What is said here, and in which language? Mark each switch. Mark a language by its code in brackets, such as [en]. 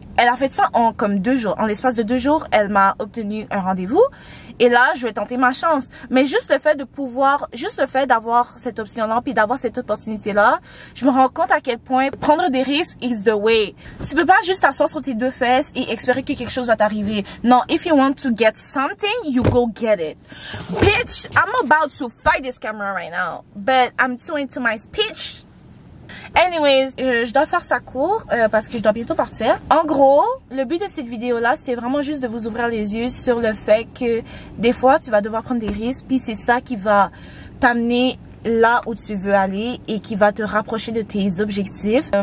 [fr] Elle a fait ça en comme 2 jours. En l'espace de 2 jours, elle m'a obtenu un rendez-vous. Et là, je vais tenter ma chance. Mais juste le fait de pouvoir, juste le fait d'avoir cette option-là, puis d'avoir cette opportunité-là, je me rends compte à quel point prendre des risques [en] is the way. [fr] Tu peux pas juste t'asseoir sur tes deux fesses et espérer que quelque chose va t'arriver. [en] Non, if you want to get something, you go get it. Bitch, I'm about to fight this camera right now. But I'm too into my speech. [fr] Anyways, je dois faire ça court parce que je dois bientôt partir. En gros, le but de cette vidéo-là, c'était vraiment juste de vous ouvrir les yeux sur le fait que des fois, tu vas devoir prendre des risques, puis c'est ça qui va t'amener là où tu veux aller et qui va te rapprocher de tes objectifs.